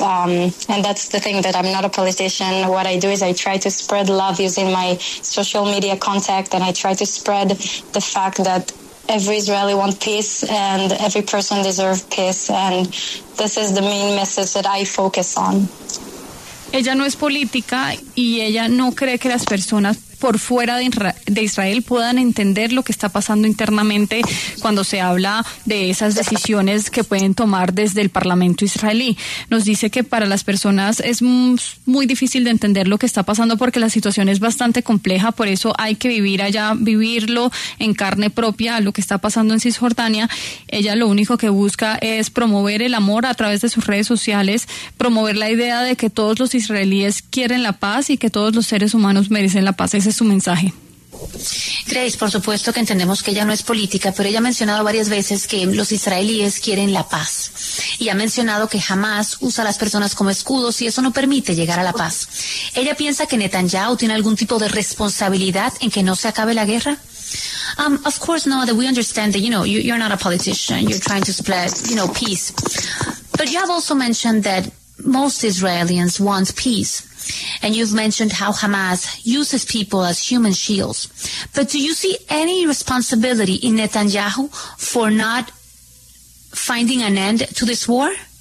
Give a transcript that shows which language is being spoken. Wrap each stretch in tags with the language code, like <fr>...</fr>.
<en>And that's the thing, that I'm not a politician. What I do is I try to spread love using my social media contact, and I try to spread the fact that every Israeli wants peace and every person deserves peace. And this is the main message that I focus on.</en> <es>Ella no es política y ella no cree que las personas por fuera de Israel puedan entender lo que está pasando internamente cuando se habla de esas decisiones que pueden tomar desde el Parlamento israelí. Nos dice que para las personas es muy difícil de entender lo que está pasando porque la situación es bastante compleja, por eso hay que vivir allá, vivirlo en carne propia, lo que está pasando en Cisjordania. Ella lo único que busca es promover el amor a través de sus redes sociales, promover la idea de que todos los israelíes quieren la paz y que todos los seres humanos merecen la paz. Ese es su mensaje. Grace, por supuesto que entendemos que ella no es política, pero ella ha mencionado varias veces que los israelíes quieren la paz y ha mencionado que Hamas usa a las personas como escudos y eso no permite llegar a la paz. ¿Ella piensa que Netanyahu tiene algún tipo de responsabilidad en que no se acabe la guerra?</es> <en>Of course, Noah, that we understand that, you know, you're not a politician. You're trying to spread, you know, peace. But you have also mentioned that most Israelis want peace. And you've mentioned how Hamas uses people as human shields. But do you see any responsibility in Netanyahu for not finding an end to this war?</en>